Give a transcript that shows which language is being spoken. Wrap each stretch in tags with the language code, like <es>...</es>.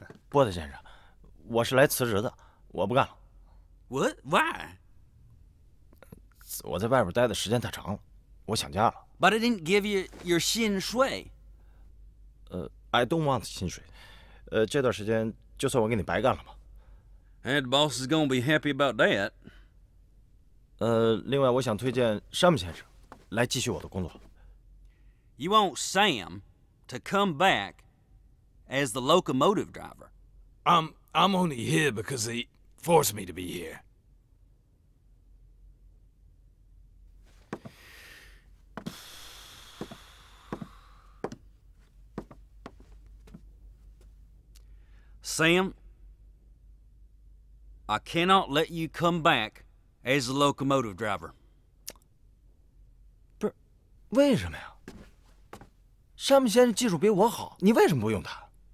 <zh>波特先生, 我是来辞职的, 我不干了。</zh> <en>What? Why?</en> <zh>我在外边待的时间太长了, 我想家了。</zh> <en>But I didn't give you your 薪水。 I don't want 薪水。</en> <zh>这段时间就算我给你白干了吧。</zh> <en>And the boss is going to be happy about that.</en> <zh>另外我想推荐山姆先生, 来继续我的工作。</zh> <en>You want Sam to come back as the locomotive driver. I'm only here because he forced me to be here. Sam, I cannot let you come back as the locomotive driver.</en> <zh>为什么呀? 山姆先生技术比我好, 你为什么不用他?</zh>